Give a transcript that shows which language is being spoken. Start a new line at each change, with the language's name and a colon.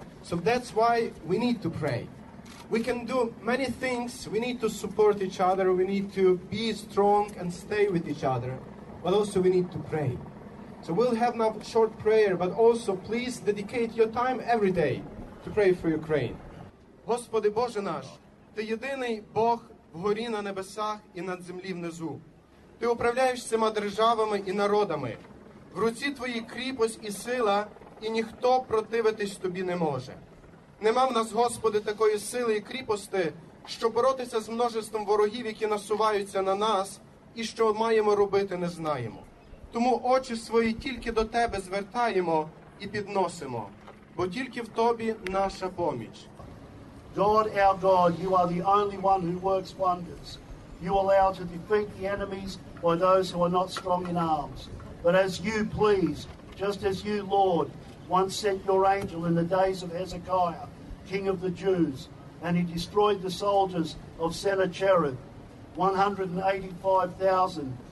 English: So that's why we need to pray. We can do many things. We need to support each other. We need to be strong and stay with each other. But also we need to pray. So we'll have now a short prayer, but also please dedicate your time every day to pray for Ukraine.
Ukrainian: Господи Боже наш, Ти єдиний Бог вгорі на небесах і над землі внизу. Ти управляєш всіма державами і народами. В руці Твоїй кріпость і сила, і ніхто противитись Тобі не може. Нема в нас, Господи, такої сили і кріпости, що боротися з множеством ворогів, які насуваються на нас, і що маємо робити, не знаємо. Тому очі свої тільки до Тебе звертаємо і підносимо, бо тільки в Тобі наша поміч.
English: God, our God, You are the only one who works wonders. You allow to defeat the enemies by those who are not strong in arms. But as You please, just as You, Lord, once sent Your angel in the days of Hezekiah, king of the Jews, and He destroyed the soldiers of Sennacherib, 185,000.